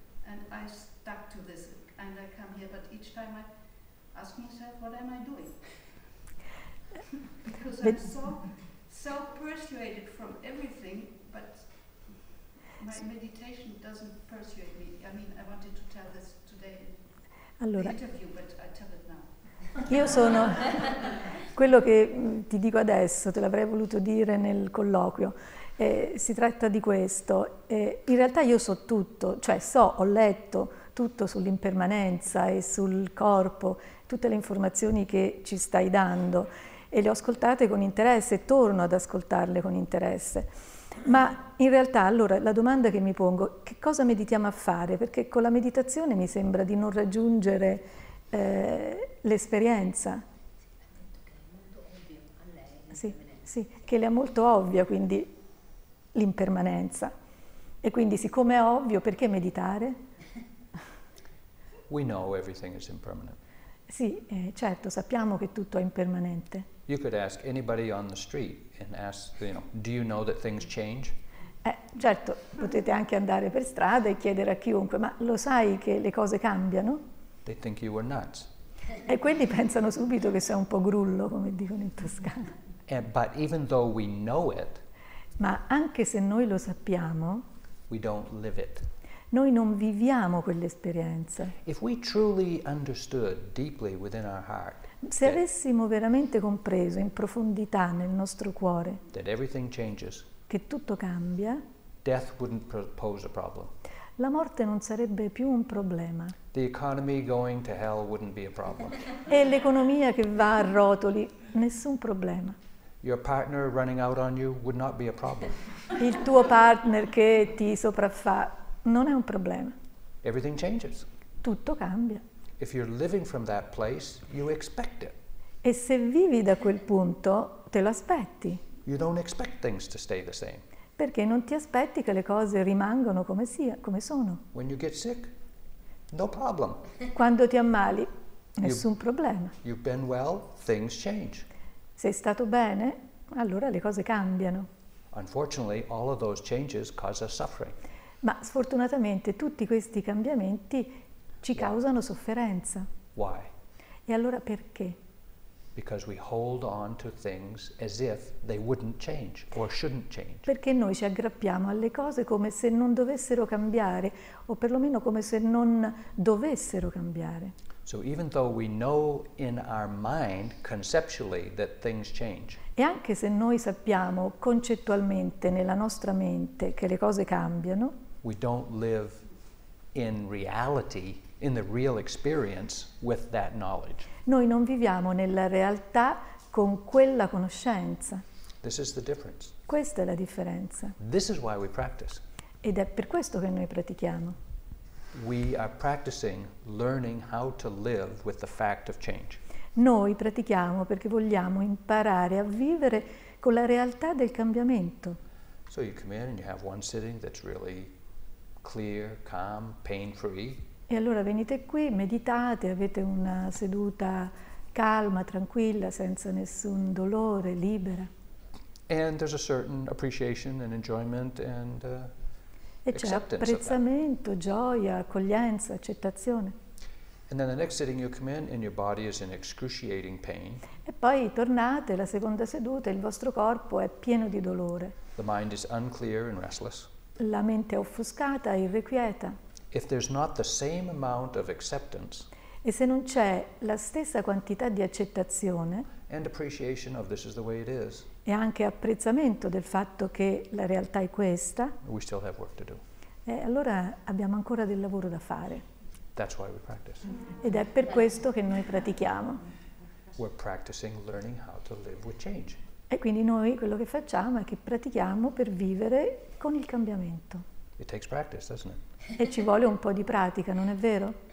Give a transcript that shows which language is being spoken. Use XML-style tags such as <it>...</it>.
<en>and I stuck to this, and I come here, but each time I ask myself, what am I doing? Because I'm so persuaded from everything, but my meditation doesn't persuade me. I mean, I wanted to tell this today in</en> <it>allora.</it> <en>The interview, but I tell it now.</en> <it>Io sono quello che ti dico adesso, te l'avrei voluto dire nel colloquio, si tratta di questo, in realtà io so tutto, cioè so, ho letto tutto sull'impermanenza e sul corpo, tutte le informazioni che ci stai dando e le ho ascoltate con interesse, torno ad ascoltarle con interesse, ma in realtà allora la domanda che mi pongo, che cosa meditiamo a fare? Perché con la meditazione mi sembra di non raggiungere l'esperienza. Sì, sì, che le è molto ovvia quindi l'impermanenza. E quindi siccome è ovvio, perché meditare?</it> <en>We know everything is impermanent.</en> <it>Sì, certo, sappiamo che tutto è impermanente.</it> <en>You could ask anybody on the street and ask, you know, do you know that things change?</en> <it>Certo, potete anche andare per strada e chiedere a chiunque, ma lo sai che le cose cambiano?</it> <en>They think you were nuts.</en> <it>E quelli pensano subito che sei un po' grullo, come dicono in Toscana.</it> <en>But even though we know it,</en> <it>ma anche se noi lo sappiamo,</it> <en>we don't live it.</en> <it>Noi non viviamo quell'esperienza.</it> <en>If we truly understood deeply within our heart,</en> <it>se avessimo veramente compreso in profondità nel nostro cuore</it> <en>that everything changes,</en> <it>che tutto cambia,</it> <en>death wouldn't pose a problem.</en> <it>La morte non sarebbe più un problema.</it> <en>The economy going to hell wouldn't be a problem.</en> <it>E l'economia che va a rotoli, nessun problema.</it> <en>Your partner running out on you would not be a problem.</en> <it>Il tuo partner che ti sopraffà non è un problema.</it> <en>Everything changes.</en> <it>Tutto cambia.</it> <en>If you're living from that place, you expect it.</en> <it>E se vivi da quel punto, te lo aspetti.</it> <en>You don't expect things to stay the same.</en> <it>Perché non ti aspetti che le cose rimangano come sia, come sono.</it> <en>When you get sick, no problem.</en> <it>Quando ti ammali, nessun problema.</it> <en>You've been well, things change.</en> <it>Sei stato bene, allora le cose cambiano.</it> <en>Unfortunately, all of those changes cause us suffering.</en> <it>Ma sfortunatamente tutti questi cambiamenti ci causano sofferenza.</it> <en>Why?</en> <it>E allora perché?</it> <en>Because we hold on to things as if they wouldn't change or shouldn't change.</en> <it>Perché noi ci aggrappiamo alle cose come se non dovessero cambiare o perlomeno come se non dovessero cambiare.</it> <en>So even though we know in our mind conceptually that things change.</en> <it>E anche se noi sappiamo concettualmente nella nostra mente che le cose cambiano,</it> <en>we don't live in reality, in the real experience with that knowledge.</en> <it>Noi non viviamo nella realtà con quella conoscenza.</it> <en>This is the difference.</en> <it>Questa è la differenza.</it> <en>This is why we practice.</en> <it>Ed è per questo che noi pratichiamo.</it> <en>We are practicing learning how to live with the fact of change.</en> <it>Noi pratichiamo perché vogliamo imparare a vivere con la realtà del cambiamento.</it> <en>So you come in and you have one sitting that's really clear, calm, pain-free.</en> <it>E allora venite qui, meditate, avete una seduta calma, tranquilla, senza nessun dolore, libera.</it> <en>And there's a certain appreciation and enjoyment and</en> <it>e c'è apprezzamento, gioia, accoglienza, accettazione.</it> <en>And then the next sitting you come in and your body is in excruciating pain.</en> <it>E poi tornate, la seconda seduta, il vostro corpo è pieno di dolore.</it> <en>The mind is unclear and restless.</en> <it>La mente è offuscata, irrequieta.</it> <en>If there's not the same amount of acceptance,</en> <it>e se non c'è la stessa quantità di accettazione</it> <en>and appreciation of this is the way it is,</en> <it>e anche apprezzamento del fatto che la realtà è questa,</it> <en>we still have work to do.</en> <it>Allora abbiamo ancora del lavoro da fare.</it> <en>That's why we practice.</en> <it>Ed è per questo che noi pratichiamo.</it> <en>We're practicing learning how to live with change.</en> <it>E quindi noi quello che facciamo è che pratichiamo per vivere con il cambiamento.</it> <en>It takes practice, doesn't it?</en> <it>E ci vuole un po' di pratica, non è vero?</it>